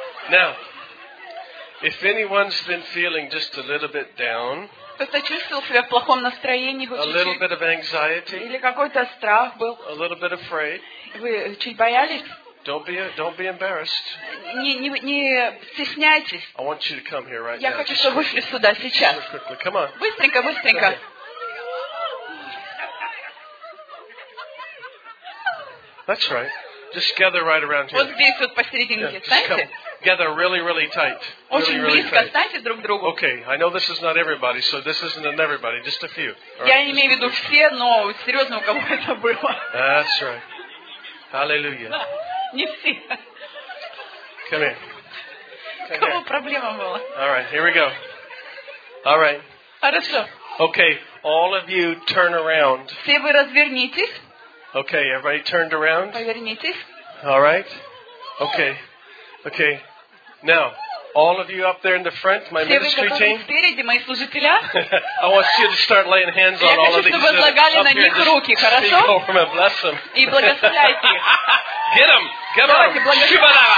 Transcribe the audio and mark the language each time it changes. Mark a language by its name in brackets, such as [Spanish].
[English] Now, if anyone's been feeling just a little bit down, [Russian] кто-то чувствовал себя в плохом настроении, [English] a little bit of anxiety, [Russian] или какой-то страх был, [English] a little bit afraid, [Russian] вы чуть боялись, [English] don't be embarrassed. [Russian] Не стесняйтесь. [English] I want you to come here right [Russian] я [English] now. [Russian] Хочу, чтобы вы шли сюда сейчас. [English] Come on. [Russian] Быстренько, быстренько. [English] That's right. Just gather right around here. [Russian] Вот здесь, вот посередине, [English] yeah, just come. Together really, really tight. [Russian] Очень [English] really, [Russian] близко, [English] really [Russian] тайте друг другу. [English] Okay, I know this is not everybody, so this isn't an everybody, just a few. Right, [Russian] я не имею в виду все, но серьезно, у кого это было. [English] That's right. Hallelujah. [Russian] Не все. [English] Come here. [Russian] У кого проблема была? [English] All right, here we go. All right. [Russian] Хорошо. [English] Okay, all of you turn around. [Russian] Все вы развернитесь. [English] Okay, everybody turned around. [Russian] Повернитесь. [English] All right. Okay. Okay. Now, all of you up there in the front, my ministry team. [Russian] Спереди, мои служители. [English] I want you to start laying hands on all of these. [Russian] Я хочу, чтобы возлагали на них руки, хорошо? [English] Speak over them and bless them. [Russian] И благословляйте их. [English] Get them. Get them. [Russian] Давайте благословляйте.